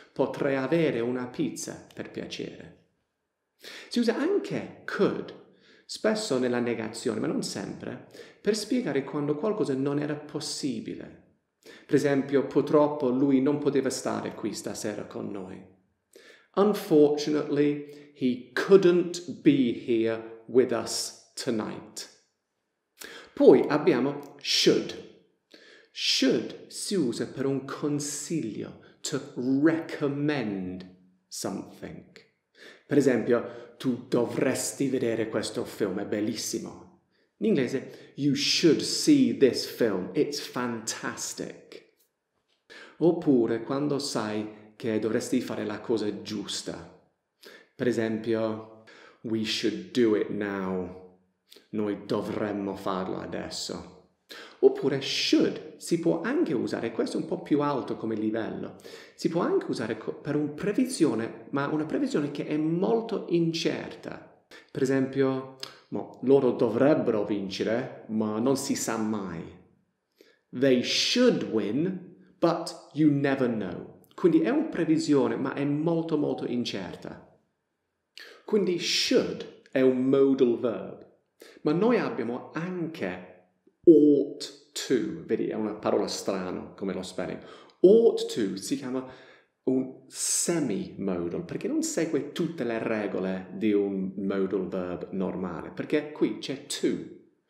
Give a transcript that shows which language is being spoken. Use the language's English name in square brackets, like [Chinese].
[Italian] Potrei avere una pizza, per piacere. Si usa anche could, spesso nella negazione, ma non sempre, per spiegare quando qualcosa non era possibile. Per esempio, purtroppo lui non poteva stare qui stasera con noi. [English] Unfortunately, he couldn't be here with us tonight. [Italian] Poi abbiamo should. Should si usa per un consiglio. [English] To recommend something. [Italian] Per esempio, tu dovresti vedere questo film, è bellissimo. In inglese, [English] you should see this film, it's fantastic. [Italian] Oppure, quando sai che dovresti fare la cosa giusta. Per esempio, [English] we should do it now. [Italian] Noi dovremmo farlo adesso. Oppure should, si può anche usare, questo è un po' più alto come livello, si può anche usare per una previsione, ma una previsione che è molto incerta. Per esempio, no, loro dovrebbero vincere, ma non si sa mai. [English] They should win, but you never know. [Italian] Quindi è una previsione, ma è molto molto incerta. Quindi should è un [English] modal verb, [Italian] ma noi abbiamo anche [English] ought to, [Italian] vedi, è una parola strana come lo spelling. [English] Ought to [Italian] si chiama un semi-modal, perché non segue tutte le regole di un [English] modal verb [Italian] normale, perché qui c'è to.